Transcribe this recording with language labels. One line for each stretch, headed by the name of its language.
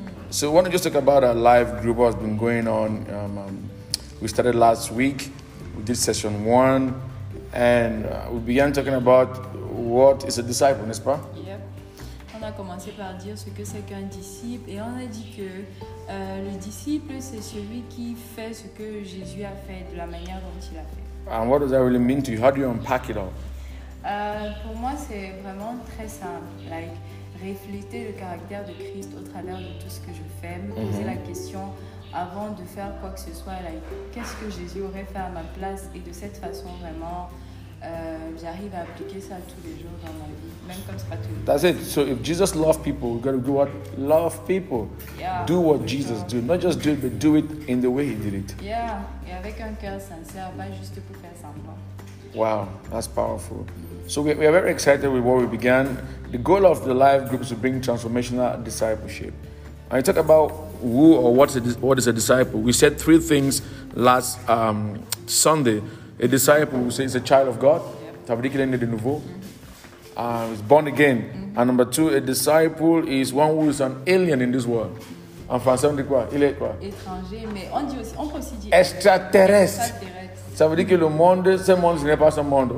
English: So, why don't you just talk about our live group, what's been going on. We started last week, we did session one, and we began talking about what is a disciple,
French: n'est-ce pas? On a commencé par dire ce que c'est qu'un disciple et on a dit que le disciple c'est celui qui fait ce que Jésus a fait de la manière dont il a fait.
English: And what does that really mean to you? How do you unpack it all?
French: Pour moi c'est vraiment très simple, like refléter le caractère de Christ au travers de tout ce que je fais, me poser la question avant de faire quoi que ce soit, like qu'est-ce que Jésus aurait fait à ma place, et de cette façon vraiment j'arrive à appliquer ça tous les jours dans ma vie, même comme c'est pas tous les jours.
English: That's it. So if Jesus loved people, we got to do what? Love people. Yeah, do what Jesus do. Not just do it, but do it in the way he did it.
French: Yeah, et avec un cœur sincère, pas juste pour faire semblant.
English: Wow, that's powerful. So we are very excited with what we began. The goal of the live group is to bring transformational discipleship. And you talk about who or what is a disciple. We said three things last Sunday. A disciple, we say, is a child of God.
French: Tabernacle de nouveau.
English: He's born again. Mm-hmm. And number two, a disciple is one who is an alien in this world.
French: En français, on dit quoi? Il est quoi? Étranger, mais on dit aussi, on peut aussi dire... Extraterrestre. Ça veut dire que le monde, ce monde, ce n'est pas son monde.